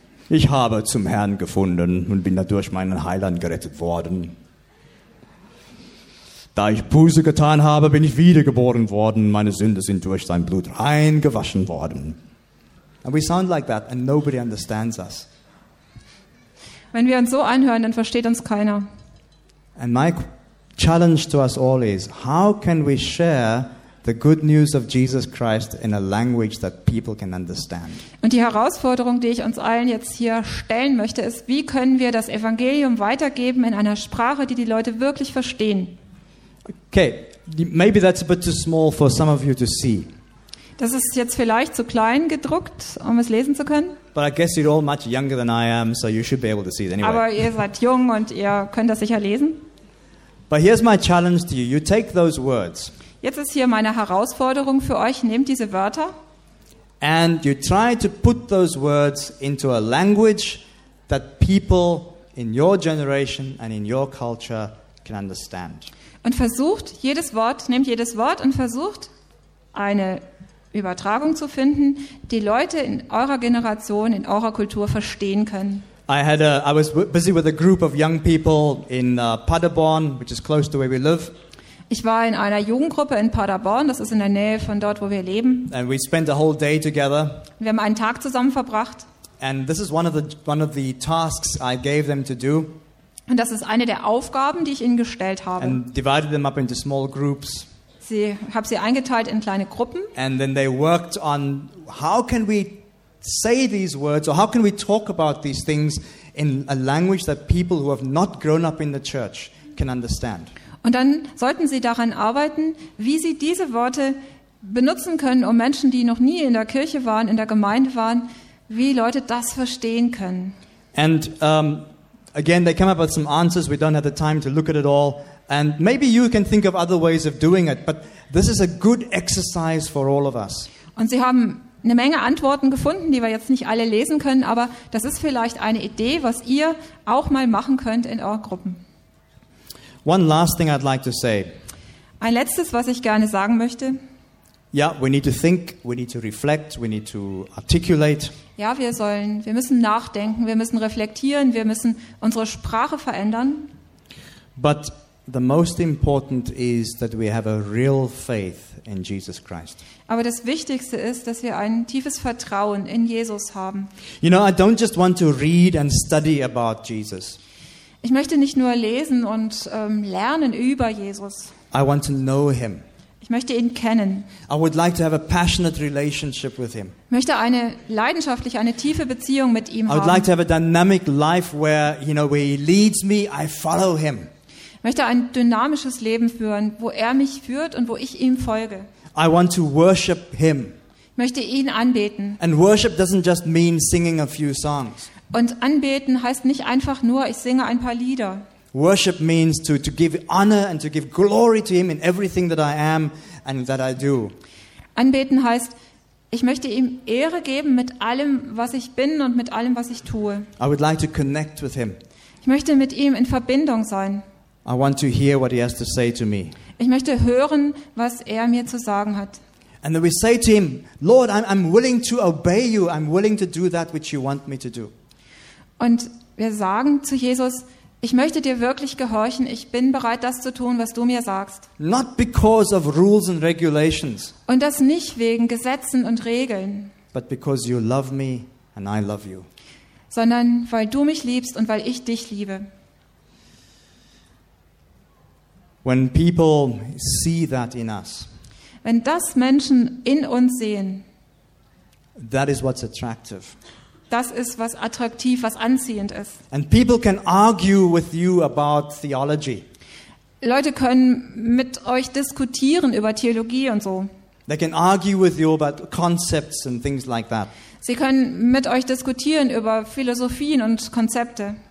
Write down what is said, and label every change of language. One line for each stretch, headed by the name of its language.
German: Ich habe zum Herrn gefunden und bin dadurch meinen Heiland gerettet worden. Da ich Buße getan habe, bin ich wiedergeboren worden. Meine Sünde sind durch sein Blut rein gewaschen worden.
English: And we sound like that and nobody understands us.
German: Wenn wir uns so anhören, dann versteht uns keiner.
English: And Mike, challenge to us all is, how can we share the good news of Jesus Christ in a language that people can understand?
German: Und die Herausforderung, die ich uns allen jetzt hier stellen möchte, ist, wie können wir das Evangelium weitergeben in einer Sprache, die die Leute wirklich verstehen?
English: Okay, maybe that's a bit too small for some of you to see.
German: Das ist jetzt vielleicht zu klein gedruckt, um es lesen zu können.
English: But I guess you're all much younger than I am, so you should be able to see it anyway.
German: Aber ihr seid jung und ihr könnt das sicher lesen.
English: But here's my challenge to you. You take those words.
German: Jetzt ist hier meine Herausforderung für euch. Nehmt diese Wörter.
English: And you try to put those words into a language that people in your generation and in your culture can understand.
German: Und versucht jedes Wort, nehmt jedes Wort und versucht eine Übertragung zu finden, die Leute in eurer Generation, in eurer Kultur verstehen können.
English: I was busy with a group of young people in Paderborn, which is close to where we live.
German: Ich war in einer Jugendgruppe in Paderborn, das ist in der Nähe von dort, wo wir leben.
English: And we spent a whole day together.
German: Wir haben einen Tag zusammen verbracht.
English: And this is one of the tasks I gave them to do.
German: Und das ist eine der Aufgaben, die ich ihnen gestellt habe.
English: And divided them up into small groups.
German: Sie habe sie eingeteilt in kleine Gruppen.
English: And then they worked on how can we say these words or how can we talk about these things in a language that people who have not grown up in the church can understand.
German: Und dann sollten sie daran arbeiten, wie sie diese Worte benutzen können, um Menschen, die noch nie in der Kirche waren, in der Gemeinde waren, wie Leute das verstehen können.
English: And again, they came up with some answers. We don't have the time to look at it all. And maybe you can think of other ways of doing it, but this is a good exercise for all of us.
German: Und sie haben eine Menge Antworten gefunden, die wir jetzt nicht alle lesen können, aber das ist vielleicht eine Idee, was ihr auch mal machen könnt in euren Gruppen.
English: One last thing I'd like to say.
German: Ein letztes, was ich gerne sagen möchte.
English: Yeah, we need to think, we need to reflect, we need to articulate.
German: Ja, wir müssen nachdenken, wir müssen reflektieren, wir müssen unsere Sprache verändern.
English: But the most important is that we have a real faith in Jesus Christ.
German: Aber das Wichtigste ist, dass wir ein tiefes Vertrauen in Jesus haben.
English: You know, I don't just want to read and study about Jesus.
German: Ich möchte nicht nur lesen und lernen über Jesus.
English: I want to know him.
German: Ich möchte ihn kennen.
English: I would like to have a passionate relationship with him.
German: Ich möchte eine leidenschaftliche, eine tiefe Beziehung mit ihm haben.
English: I would like to have a dynamic life where, you know, where he leads me, I follow him.
German: Ich möchte ein dynamisches Leben führen, wo er mich führt und wo ich ihm folge.
English: I want to worship him.
German: Ich möchte ihn anbeten.
English: And worship doesn't just mean singing a few songs.
German: Und anbeten heißt nicht einfach nur, ich singe ein paar Lieder.
English: Worship means to give honor and to give glory to him in everything that I am and that I do.
German: Anbeten heißt, ich möchte ihm Ehre geben mit allem, was ich bin und mit allem, was ich tue.
English: I would like to connect with him.
German: Ich möchte mit ihm in Verbindung sein.
English: I want to hear what he has to say to me.
German: Ich möchte hören, was er mir zu sagen hat.
English: And then we say to him, Lord, I'm willing to obey you. I'm willing to do that which you want me to do.
German: Und wir sagen zu Jesus, ich möchte dir wirklich gehorchen. Ich bin bereit, das zu tun, was du mir sagst.
English: Not because of rules and regulations.
German: Und das nicht wegen Gesetzen und Regeln.
English: But because you love me and I love you.
German: Sondern weil du mich liebst und weil ich dich liebe.
English: When people see that in us,
German: wenn das Menschen in uns sehen,
English: that is what's attractive.
German: Das ist was attraktiv, was anziehend ist.
English: And people can argue with you about theology.
German: Leute können mit euch diskutieren über Theologie und so.
English: They can argue with you about concepts and things like that.
German: Sie können mit euch diskutieren über Philosophien und Konzepte.